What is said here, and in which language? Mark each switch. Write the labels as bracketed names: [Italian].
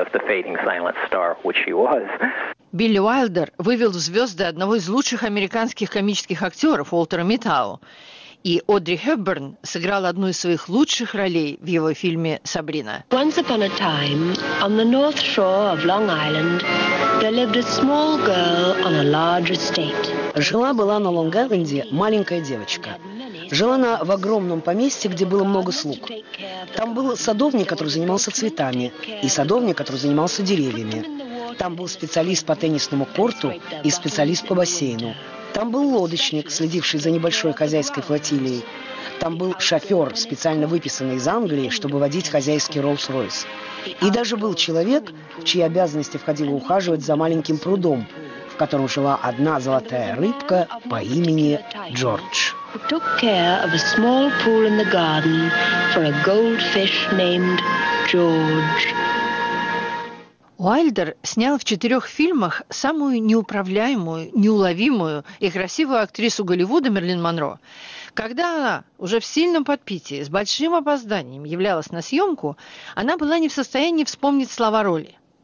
[Russian] Билли Уайльдер вывел в звезды одного из лучших американских комических актеров Уолтера Митау. И Одри Хепберн сыграла одну из своих лучших ролей в его фильме «Сабрина». [English] Once upon a time, on the north shore of Long Island, there lived a small girl on a large estate. [Russian] Жила-была на Лонг-Айленде маленькая девочка. Жила она в огромном поместье, где было много слуг. Там был садовник, который занимался цветами, и садовник, который занимался деревьями. Там был специалист по теннисному корту и специалист по бассейну. Там был лодочник, следивший за небольшой хозяйской флотилией. Там был шофер, специально выписанный из Англии, чтобы водить хозяйский Роллс-Ройс. И даже был человек, в чьи обязанности входило ухаживать за маленьким прудом, в котором жила одна золотая рыбка по имени Джордж. [English] who took care of a small pool in the garden for a goldfish named George. [Russian] Уайльдер снял в четырех фильмах самую неуправляемую, неуловимую и красивую актрису Голливуда Мерлин Монро. Когда она уже в сильном подпитии, с большим опозданием являлась на съемку, она была не в состоянии вспомнить слова роли.